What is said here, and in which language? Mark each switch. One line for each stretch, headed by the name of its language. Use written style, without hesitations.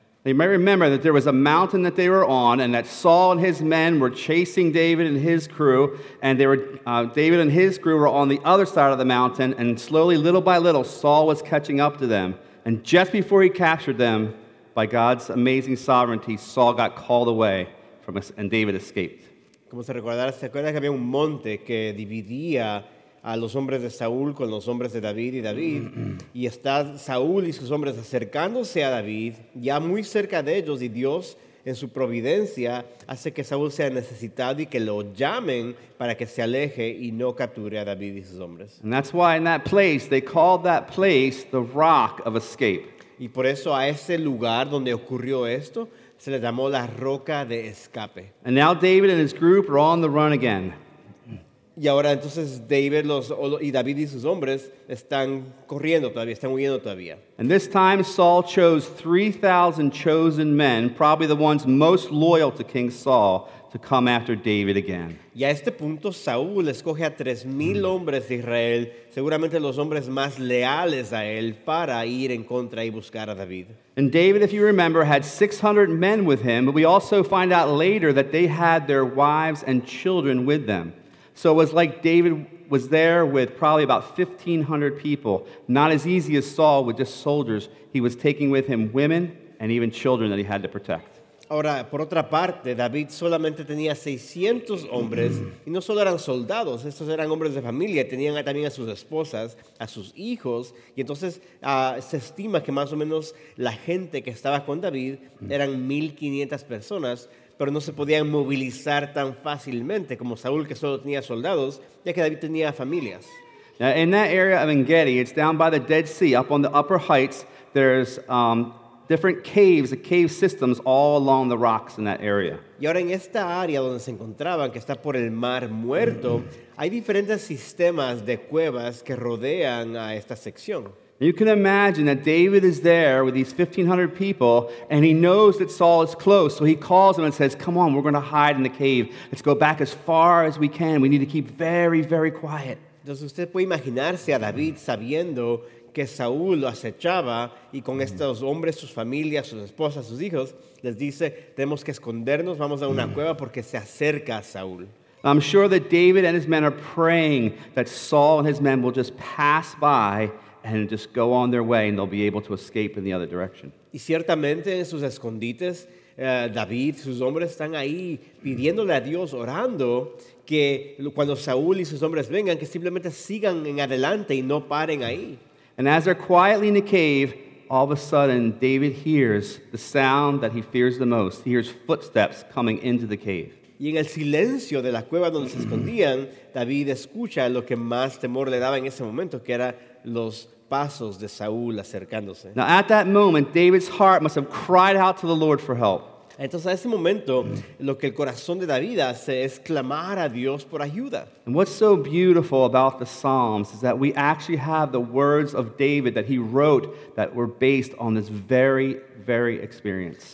English: You might remember that there was a mountain that they were on and that Saul and his men were chasing David and his crew and they were David and his crew were on the other side of the mountain and slowly, little by little, Saul was catching up to them. And just before he captured them, by God's amazing sovereignty, Saul got called away from us and David escaped.
Spanish: Como se recordará, se acuerda que había un monte que dividía a los hombres de Saúl con los hombres de David y David, y está Saúl y sus hombres acercándose a David, ya muy cerca de ellos, y Dios, en su providencia, hace que Saúl sea necesitado y que lo llamen para que se aleje y no capture a David y sus hombres.
English: And that's why in that place, they called that place the Rock of Escape.
Spanish: Y por eso a ese lugar donde ocurrió esto, se le llamó la Roca de Escape.
English: And now David and his group are on the run again.
Spanish: Y ahora entonces David y David y sus hombres están corriendo todavía, están huyendo todavía.
English: And this time Saul chose 3,000 chosen men, probably the ones most loyal to King Saul, to come after David again.
Spanish: Y a este punto Saúl escoge a 3,000 hombres de Israel, seguramente los hombres más leales a él, para ir en contra y buscar a David.
English: And David, if you remember, had 600 men with him, but we also find out later that they had their wives and children with them. So it was like David was there with probably about 1,500 people. Not as easy as Saul with just soldiers. He was taking with him women and even children that he had to protect.
Spanish: Ahora, por otra parte, David solamente tenía 600 hombres. Y no solo eran soldados. Estos eran hombres de familia. Tenían también a sus esposas, a sus hijos. Y entonces se estima que más o menos la gente que estaba con David eran 1,500 personas. Pero no se podían movilizar tan fácilmente como Saúl, que solo tenía soldados, ya que David tenía familias.
English: Now, in that area of Engedi, it's down by the Dead Sea, up on the upper heights, there's different caves, cave systems all along the rocks in that area.
Spanish: Y ahora en esta área donde se encontraban, que está por el Mar Muerto, hay diferentes sistemas de cuevas que rodean a esta sección.
English: You can imagine that David is there with these 1,500 people, and he knows that Saul is close, so he calls him and says, come on, we're going to hide in the cave. Let's go back as far as we can. We need to keep very, very quiet.
Spanish: Entonces usted puede imaginarse a David sabiendo que Saúl lo acechaba, y con estos hombres, sus familias, sus esposas, sus hijos, les dice, tenemos que escondernos, vamos a una cueva porque se acerca a Saúl.
English: I'm sure that David and his men are praying that Saul and his men will just pass by and just go on their way, and they'll be able to escape in the other direction.
Spanish: Y ciertamente en sus escondites, David, sus hombres están ahí pidiéndole a Dios, orando, que cuando Saúl y sus hombres vengan, que simplemente sigan en adelante y no paren ahí.
English: And as they're quietly in the cave, all of a sudden, David hears the sound that he fears the most. He hears footsteps coming into the cave.
Spanish: Y en el silencio de la cueva donde se escondían, David escucha lo que más temor le daba en ese momento, que era los pasos de Saúl acercándose.
English: Now at that moment, David's heart must have cried out to the Lord for help.
Spanish: Entonces, a ese momento, lo que el corazón de David hace es clamar a Dios por ayuda.
English: And what's so beautiful about the Psalms is that we actually have the words of David that he wrote that were based on this very, very experience.